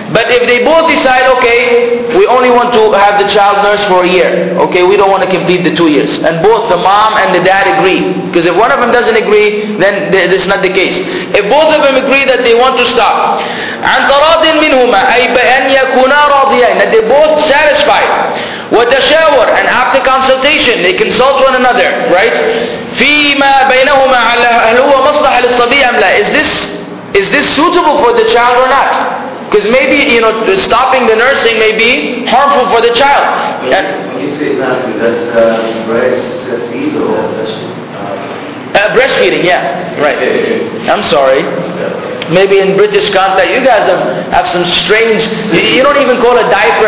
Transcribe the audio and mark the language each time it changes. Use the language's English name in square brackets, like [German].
[English] But if they both decide, okay, we only want to have the child nurse for a year, okay, we don't want to complete the 2 years, and both the mom and the dad agree, because if one of them doesn't agree, then this is not the case. If both of them agree that they want to stop, [Arabic] عن تراض منهما أي بأن يكونا راضيين, [English] that they both satisfied, وتشاور, and after consultation, they consult one another, right? [Arabic] فيما بينهما على هل هو مصلح للصبي أم لا, [English] is this suitable for the child or not? Because maybe, you know, stopping the nursing may be harmful for the child. When you say that, that's breastfeeding or breastfeeding? Breastfeeding, yeah. Right. I'm sorry. Maybe in British context, you guys have some strange... You don't even call a diaper.